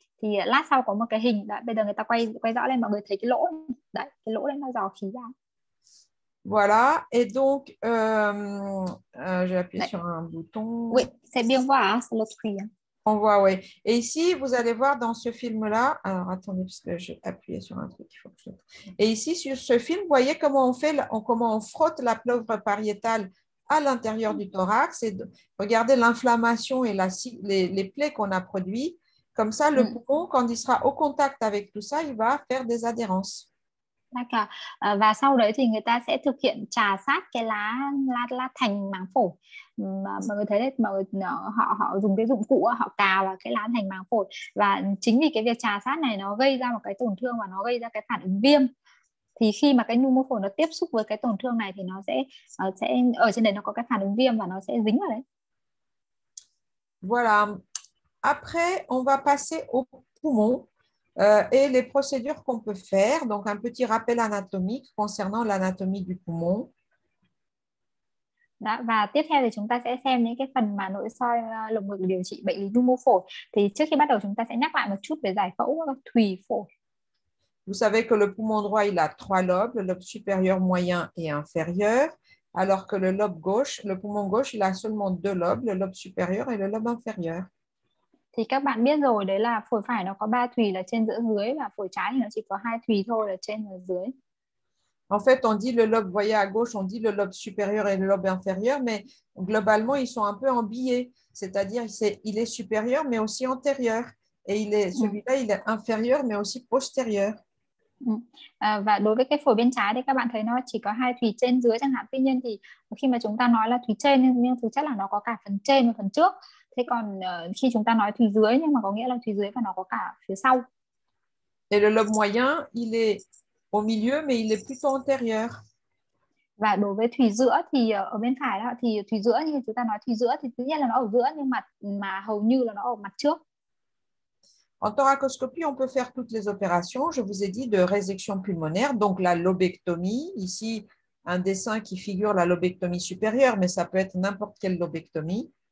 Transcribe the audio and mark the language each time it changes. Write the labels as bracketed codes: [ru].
[vi] Thì lát sau có một cái hình đấy, bây giờ người ta quay quay rõ lên, mọi người thấy cái lỗ đấy, cái lỗ đấy nó dò khí ra [fr] Voilà, et donc j'ai appuyé sur un oui, bouton. c'est bien voir c'est l'autre prix. On voit, oui. Et ici, vous allez voir dans ce film-là. Alors attendez, parce que j'ai appuyé sur un truc, il faut que je. Et ici, sur ce film, vous voyez comment on frotte la plèvre pariétale à l'intérieur du thorax. Et regardez l'inflammation et les plaies qu'on a produites. Comme ça, le poumon, quand il sera au contact avec tout ça, il va faire des adhérences. [vi] Và sau đấy thì người ta sẽ thực hiện chà sát cái lá lá lá thành màng phổi. Mọi người thấy đấy, mọi người, họ họ dùng cái dụng cụ họ cào vào cái lá thành màng phổi, và chính vì cái việc chà sát này nó gây ra một cái tổn thương và nó gây ra cái phản ứng viêm. Thì khi mà cái nhu mô phổi nó tiếp xúc với cái tổn thương này thì nó sẽ ở trên đấy nó có cái phản ứng viêm và nó sẽ dính vào đấy. [fr] Voilà. Après, on va passer au poumon et les procédures qu'on peut faire. Donc, un petit rappel anatomique concernant l'anatomie du poumon. [vi] Đó, và tiếp theo thì chúng ta sẽ xem những cái phần mà nội soi lồng ngực điều trị bệnh lý nhu mô phổi. Thì trước khi bắt đầu chúng ta sẽ nhắc lại một chút về giải phẫu thùy phổi. [fr] Vous savez que le poumon droit, il a trois lobes, le lobe supérieur, moyen et inférieur, alors que le lobe gauche, le poumon gauche, il a seulement deux lobes, le lobe supérieur et le lobe inférieur. [vi] Thì các bạn biết rồi đấy là phổi phải nó có 3 thùy là trên giữa dưới và phổi trái thì nó chỉ có 2 thùy thôi là trên và dưới. [fr] En fait, on dit le lobe, voyez à gauche, on dit le lobe supérieur et le lobe inférieur, mais globalement, ils sont un peu en biais. C'est-à-dire, il est supérieur, mais aussi antérieur. Et celui-là, il est inférieur, mais aussi postérieur. [vi] Và đối với cái phổi bên trái thì các bạn thấy nó chỉ có 2 thùy trên dưới chẳng hạn, tuy nhiên thì khi mà chúng ta nói là thùy trên nhưng thực chất là nó có cả phần trên và phần trước, thế còn khi chúng ta nói thùy dưới nhưng mà có nghĩa là thùy dưới và nó có cả phía sau. [fr] Et le lobe moyen, il est au milieu, mais il est plutôt antérieur. [vi] Và đối với thùy giữa thì ở bên phải đó, thì thùy giữa như chúng ta nói thùy giữa thì tự nhiên là nó ở giữa nhưng mà hầu như là nó ở mặt trước. [fr] En thoracoscopie, on peut faire toutes les opérations, je vous ai dit, de résection pulmonaire, donc la lobectomie. Ici, un dessin qui figure la lobectomie supérieure, mais ça peut être n'importe quelle lobectomie.